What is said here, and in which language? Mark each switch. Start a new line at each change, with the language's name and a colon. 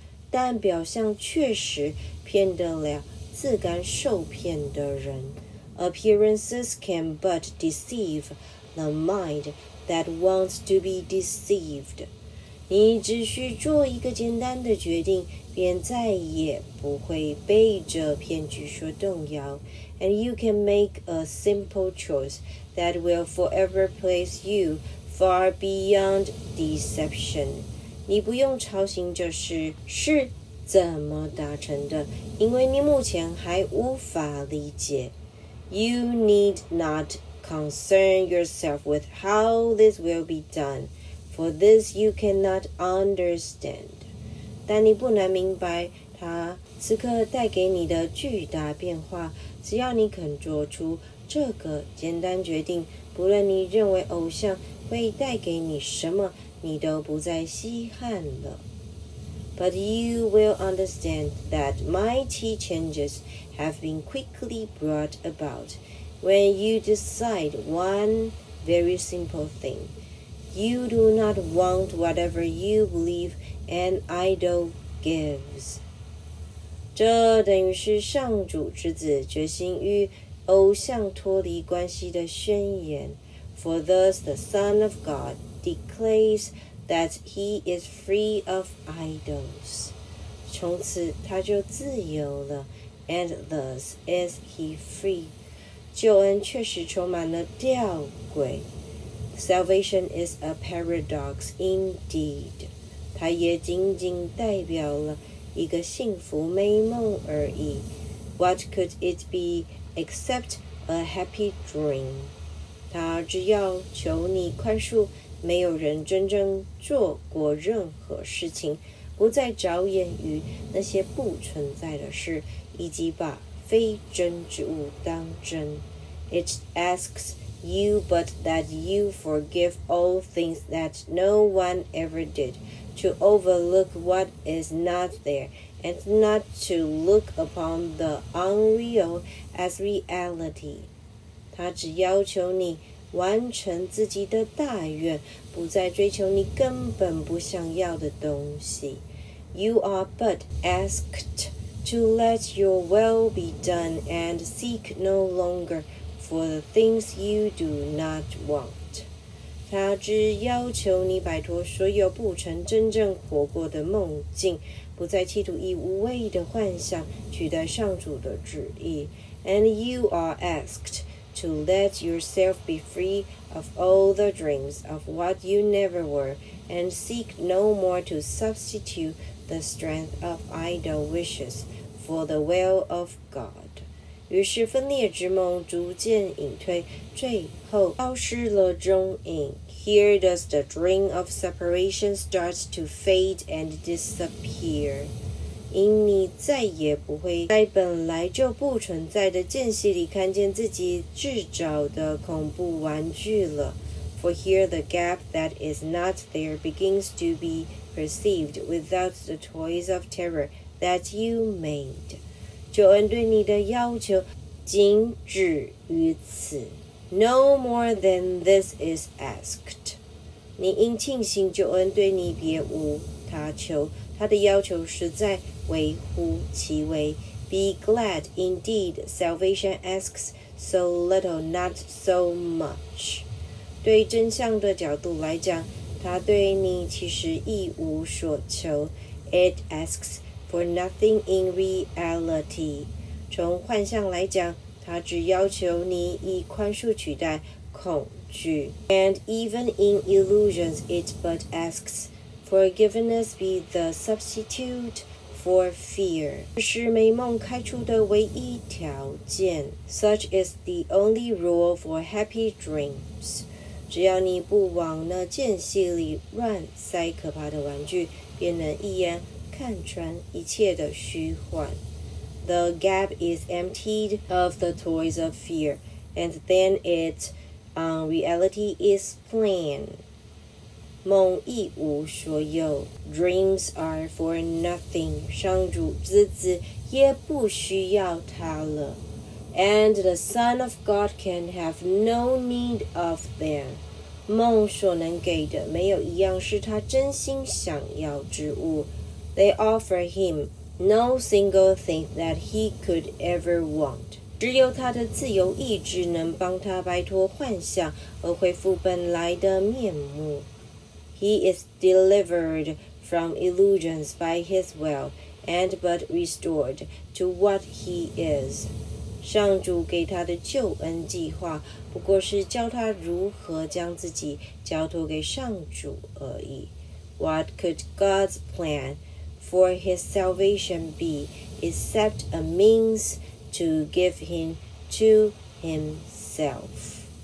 Chinese: 但表象确实骗得了自甘受骗的人。
English: Appearances can but deceive the mind that wants to be deceived。
Chinese: 你只需做一个简单的决定，便再也不会被这骗局所动摇。
English: And you can make a simple choice. That will forever place you far beyond deception.
Chinese: 你不用操心这事是怎么达成的，因为你目前还无法理解。
English: You need not concern yourself with how this will be done, for this you cannot understand.
Chinese: 但你不难明白它此刻带给你的巨大变化，只要你肯做出这个简单决定，不论你认为偶像会带给你什么，你都不再稀罕了。
English: But you will understand that mighty changes have been quickly brought about when you decide one very simple thing. You do not want whatever you believe an idol gives.
Chinese: 这等于是上主之子决心与偶像脱离关系的宣言。
English: For thus the Son of God declares that he is free of idols.
Chinese: 从此他就自由了。
English: And thus is he free.
Chinese: 救恩确实充满了吊诡。
English: Salvation is a paradox indeed.
Chinese: 它也仅仅代表了一个幸福美梦而已。
English: What could it be? Except a happy dream.
Chinese: 他只要求你宽恕，没有人真正做过任何事情，不再着眼于那些不存在的事，以及把非真之物当真。
English: It asks you but that you forgive all things that no one ever did, to overlook what is not there. And not to look upon the unreal as reality.
Chinese: 他只要求你完成自己的大愿，不再追求你根本不想要的东西。
English: You are but asked to let your will be done and seek no longer for the things you do not want.
Chinese: 他只要求你摆脱所有不曾真正活过的梦境。不再企图以无谓的幻想取代上主的旨意。
English: And you are asked to let yourself be free of all the dreams of what you never were and seek no more to substitute the strength of idle wishes for the will of God.
Chinese: 于是分裂之梦逐渐隐退，最后消失了踪影。
English: Here does the dream of separation start to fade and disappear.
Chinese: 因你再也不会在本来就不存在的间隙里看见自己制造的恐怖玩具了。
English: For here the gap that is not there begins to be perceived without the toys of terror that you made.
Chinese: 救恩对你的要求仅止于此。
English: No more than this is asked.
Chinese: 你应庆幸救恩对你别无他求，他的要求实在微乎其微。
English: Be glad indeed salvation asks so little, not so much.
Chinese: 对真相的角度来讲，他对你其实一无所求。
English: It asks for nothing in reality.
Chinese: 从幻象来讲，他只要求你以宽恕取代恐惧。
English: And even in illusions, it but asks, forgiveness be the substitute for fear.
Chinese: 这是美梦开出的唯一条件。
English: Such is the only rule for happy dreams.
Chinese: 只要你不往那间隙里乱塞可怕的玩具，便能一眼看穿一切的虚幻。
English: The gap is emptied of the toys of fear, and then its reality is plain.
Chinese: 梦一无所有 ,
English: dreams are for nothing,
Chinese: 上主之子也不需要他了。
English: And the Son of God can have no need of them.
Chinese: 梦所能给的没有一样是他真心想要之物。
English: They offer him,No single thing that he could ever want.
Chinese: 只有他的自由意志能帮他摆脱幻想而恢复本来的面目。
English: He is delivered from illusions by his will and but restored to what he is.
Chinese: 上主给他的救恩计划不过是教他如何将自己交托给上主而已。
English: What could God's plan? For his salvation be except a means to give him to himself.